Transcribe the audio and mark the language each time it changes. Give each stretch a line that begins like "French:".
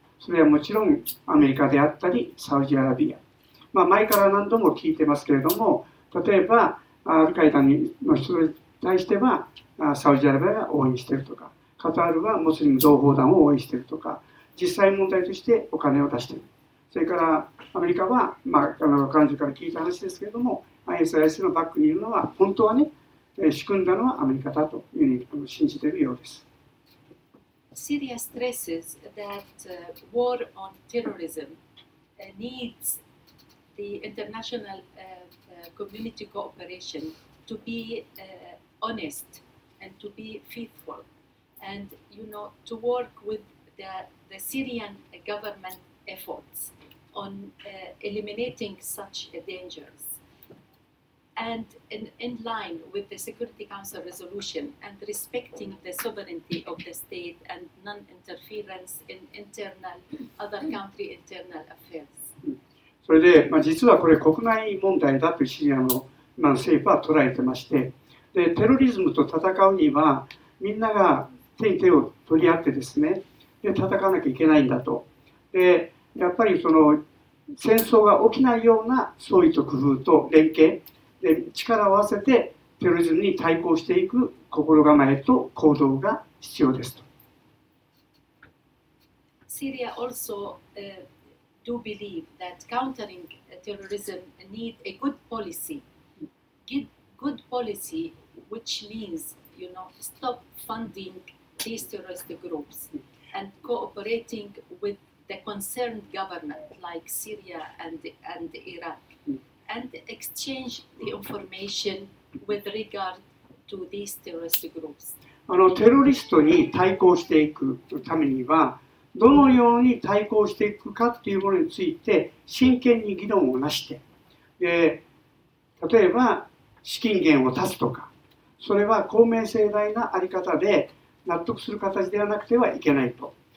Japanese: それはもちろんアメリカであったり、サウジアラビア。まあ、前から何度も聞いてますけれども、例えば、アルカイダの人に対しては、サウジアラビアが応援しているとか、カタールはモスリム同胞団を応援しているとか、実際問題としてお金を出している。それからアメリカは、まあ、彼女から聞いた話ですけれども、ISIS のバックにいるのは、本当はね、仕組んだのはアメリカだというふうに信じているようです。
English: Syria stresses that war on terrorism needs the international community cooperation to be honest. And to be faithful, and you know, to work with the Syrian government efforts on eliminating such dangers, and in line with the Security Council resolution and respecting the sovereignty of the state and non-interference in internal other country internal affairs.
Japanese: それで、まあ、実はこれ国内問題だとシリアの、まあ、政府は捉えてまして。でテロリズムと戦うにはみんなが手に手を取り合ってですねで戦わなきゃいけないんだとでやっぱりその戦争が起きないような創意と工夫と連携で力を合わせてテロリズムに対抗していく心構えと行動が必要ですと。
English: Syria also do believe that countering terrorism need a good policy. Good policy. Which means, you know, stop funding these terrorist groups and cooperating with the concerned government like Syria and Iraq and exchange the information with regard to these terrorist groups.
Japanese: テロリストに対抗していくためにはどのように対抗していくかというものについて真剣に議論をなして、例えば資金源を断つとかそれは公明正大な在り方で納得する形ではなくてはいけないと。